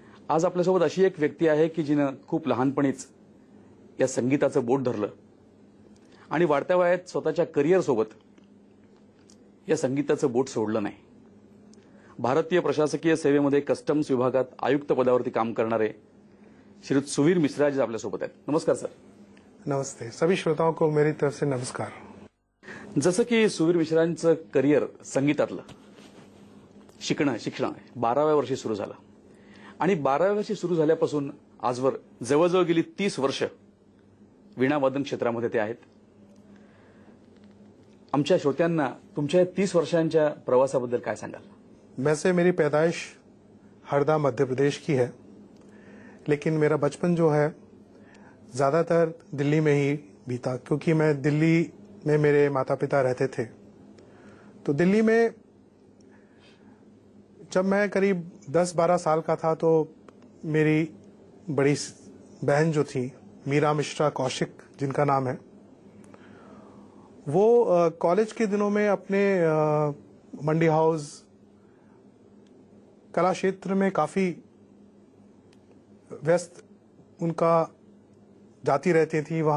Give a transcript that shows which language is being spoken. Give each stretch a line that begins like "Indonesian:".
Marathi: आज आपल्यासोबत अशी एक व्यक्ती आहे की जिनं खूप लहानपणीच या संगीताचं बोट धरलं आणि वाढत्या वयात स्वतःच्या करिअरसोबत या संगीताचं बोट सोडलं नाही. भारतीय प्रशासकीय सेवेमध्ये कस्टम्स विभागात आयुक्त पदावरती काम करणारे श्री सुवीर मिश्राजी आपल्यासोबत आहेत. नमस्कार सर.
Hindi: नमस्ते. सभी श्रोताओं को मेरी तरफ से नमस्कार.
Marathi: जसं की सुवीर मिश्रांचं करिअर संगीतातलं शिक्षण 12व्या वर्षी सुरू झालं आणि 12व्या वर्षी सुरू झाल्यापासून आजवर जवळजवळ गेली 30 वर्ष वीणावादन क्षेत्रामध्ये ते आहेत. आमच्या श्रोत्यांना तुमच्या 30 वर्षांच्या प्रवासाबद्दल काय सांगाल.
Hindi: वैसे मेरी पैदाइश हरदा मध्य प्रदेश की है, लेकिन मेरा बचपन जो है ज्यादातर दिल्ली में ही बीता, क्योंकि मैं दिल्ली में मेरे माता पिता रहते थे. तो दिल्ली में जब मैं करीब 10-12 साल का था तो मेरी बड़ी बहन जो थी मीरा मिश्रा कौशिक, जिनका नाम है, वो कॉलेज के दिनों में अपने मंडी हाउस कला क्षेत्र में काफी व्यस्त उनका जाती रहती थी.